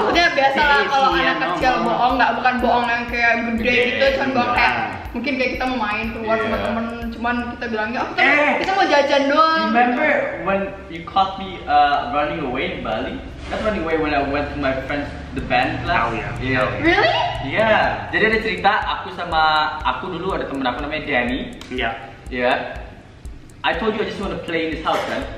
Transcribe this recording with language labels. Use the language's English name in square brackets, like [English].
[Indonesian] Maksudnya biasa lah kalau anak kecil bohong. Enggak, bukan bohong yang kayak gede gitu. Cuman bohong kayak mungkin kayak kita mau main keluar sama temen. Cuman kita bilangnya, oh kita mau jajan doang. [English] Remember when you caught me running away in Bali? That's running away when I went to my friend's the band class. Oh yeah. Yeah. Really? Yeah. [Indonesian] Jadi ada cerita, aku sama, aku dulu ada temen aku namanya Danny. [English] Yeah. Yeah. I told you I just want to play in this house, kan?